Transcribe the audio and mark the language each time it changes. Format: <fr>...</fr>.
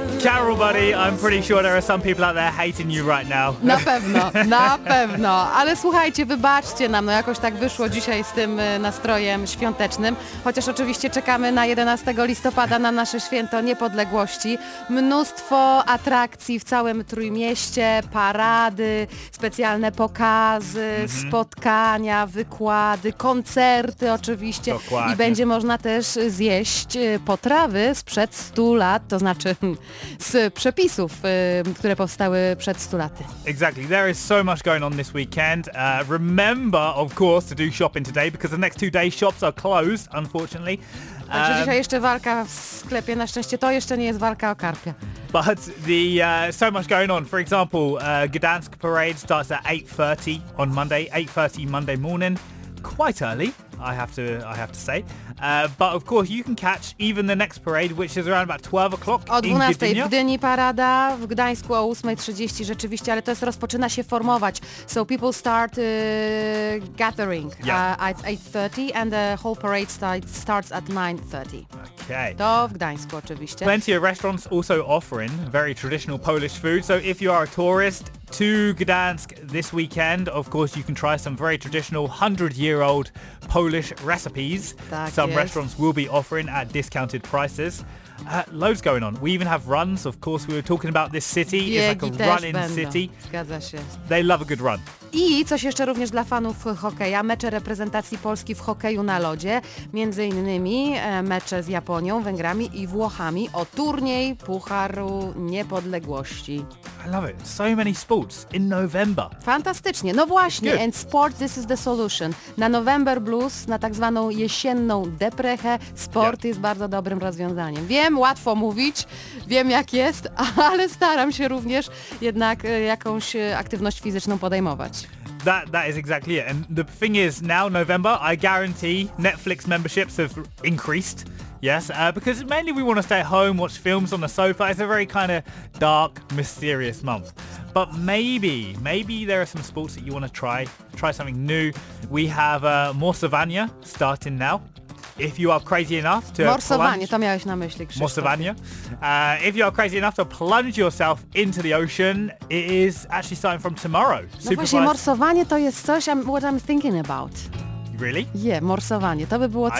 <en>Carol, buddy, I'm pretty sure there are some people out there hating you right now.</en> <pl>Na pewno, na pewno. Ale słuchajcie, wybaczcie nam, no jakoś tak wyszło dzisiaj z tym nastrojem świątecznym. Chociaż oczywiście czekamy na 11 listopada na nasze święto niepodległości. Mnóstwo atrakcji w całym Trójmieście, parady, specjalne pokazy, spotkania, wykłady, koncerty oczywiście. Dokładnie. I będzie można też zjeść potrawy sprzed 100 lat, to znaczy z przepisów, które powstały przed 100 laty.</pl> <en>Exactly. There is so much going on this weekend. Remember, of course, to do shopping today because the next 2 days shops are closed, unfortunately.</en> <pl>Także dzisiaj jeszcze walka w sklepie. Na szczęście to jeszcze nie jest walka o karpie.</pl> <en>But the so much going on. For example, Gdansk parade starts at 8:30 on Monday. 8:30 Monday morning. Quite early, I have to say. But of course you can catch even the next parade, which is around about 12 o'clock</en> <pl>o 12 in Gdyni parada, w Gdańsku o 8:30 rzeczywiście, ale to jest rozpoczyna się formować.</pl> <en>So people start gathering at 8:30 and the whole parade starts at 9:30. Okay.</en> <pl>To w Gdańsku oczywiście.</pl> <en>Plenty of restaurants also offering very traditional Polish food. So if you are a tourist to Gdansk this weekend, of course you can try some very traditional 100-year-old Polish recipes.</en> <pl>Tak</pl> <en>some</en> <pl>jest.</pl> <en>Restaurants will be offering at discounted prices. Loads going on. We even have runs, of course. We were talking about this city.</en> <pl>Biegi</pl> <en>it's like a running</en> <pl>będą.</pl> <en>City.</en> <pl>Zgadza się.</pl> <en>They love a good run.</en> <pl>I coś jeszcze również dla fanów hokeja. Mecze reprezentacji Polski w hokeju na lodzie. Między innymi mecze z Japonią, Węgrami i Włochami o turniej Pucharu Niepodległości.</pl> <en>I love it. So many sports in November.</en> <pl>Fantastycznie. No właśnie.</pl> <en>Good. And sport, this is the solution.</en> <pl>Na November Blues, na tak zwaną jesienną deprechę, sport jest bardzo dobrym rozwiązaniem. Wiem, łatwo mówić, wiem jak jest, ale staram się również jednak jakąś aktywność fizyczną podejmować.</pl> <en>That is exactly it. And the thing is, now November, I guarantee Netflix memberships have increased. Yes, because mainly we want to stay at home, watch films on the sofa. It's a very kind of dark, mysterious month. But maybe there are some sports that you want to try something new. We have Morsowania starting now. If you are crazy enough to</en> <pl>Morsowanie, to miałeś na myśli, Krzysztof. Morsowania.</pl> <en>If you are crazy enough to plunge yourself into the ocean, it is actually starting from tomorrow. No supervised.</en> <pl>Właśnie, morsowanie to jest coś,</pl> <en>what I'm thinking about. Really?</en> <pl>Yeah, morsowanie, to by było coś.</pl>